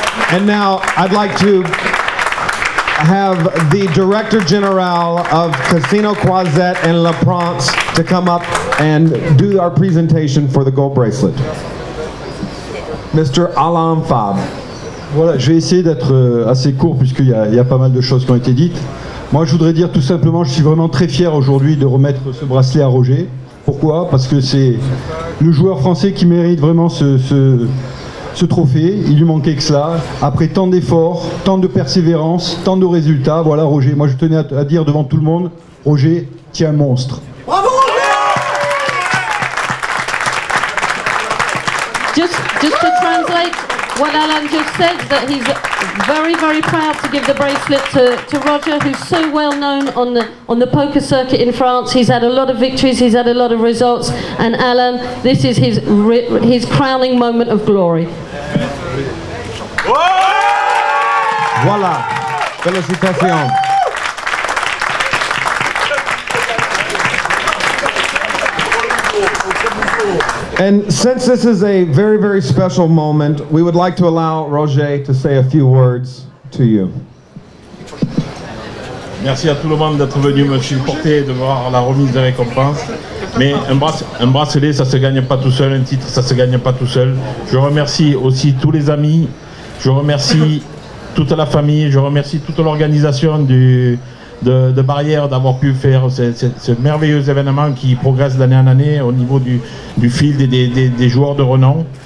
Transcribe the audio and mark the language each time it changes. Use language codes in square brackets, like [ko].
[en] And now I'd like to have the Director General of Casino Croisette and La Prance to come up and do our presentation for the gold bracelet. Mr. Alain Fab. [fr] Voilà, je vais essayer d'être assez court puisqu'il y a pas mal de choses qui ont été dites. Moi, je voudrais dire tout simplement, je suis vraiment très fier aujourd'hui de remettre ce bracelet à Roger. Pourquoi? Parce que c'est le joueur français qui mérite vraiment ce trophée. Il lui manquait que cela. Après tant d'efforts, tant de persévérance, tant de résultats, voilà Roger. Moi, je tenais à dire devant tout le monde, Roger, t'es un monstre. [en] Just to translate what Alan just said, that he's very, very proud to give the bracelet to Roger, who's so well known on the poker circuit in France. He's had a lot of victories, he's had a lot of results, and Alan, this is his crowning moment of glory. [fr] Voilà, félicitations. [en] And since this is a very, very special moment, we would like to allow Roger to say a few words to you. [fr] Merci à tout le monde d'être venu me supporter et de voir la remise des récompenses. Mais un bracelet, ça se gagne pas tout seul. Un titre, ça se gagne pas tout seul. Je remercie aussi tous les amis. Je remercie toute la famille. Je remercie toute l'organisation de barrières d'avoir pu faire ce merveilleux événement qui progresse d'année en année au niveau du field et des joueurs de renom.